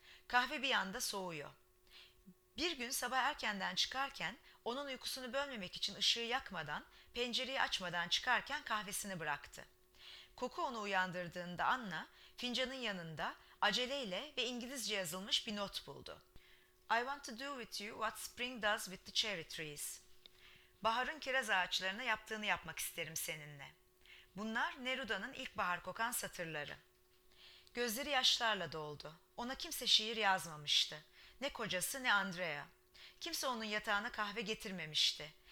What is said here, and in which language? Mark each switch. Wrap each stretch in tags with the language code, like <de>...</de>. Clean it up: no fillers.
<tr>Kahve bir anda soğuyor. Bir gün sabah erkenden çıkarken, onun uykusunu bölmemek için ışığı yakmadan, pencereyi açmadan çıkarken kahvesini bıraktı. Koku onu uyandırdığında Anna, fincanın yanında aceleyle ve İngilizce yazılmış bir not buldu.</tr> <en>I want to do with you what spring does with the cherry trees.</en> <tr>Baharın kiraz ağaçlarına yaptığını yapmak isterim seninle. Bunlar Neruda'nın ilkbahar kokan satırları. Gözleri yaşlarla doldu. Ona kimse şiir yazmamıştı. Ne kocası ne Andrea. Kimse onun yatağına kahve getirmemişti.</tr>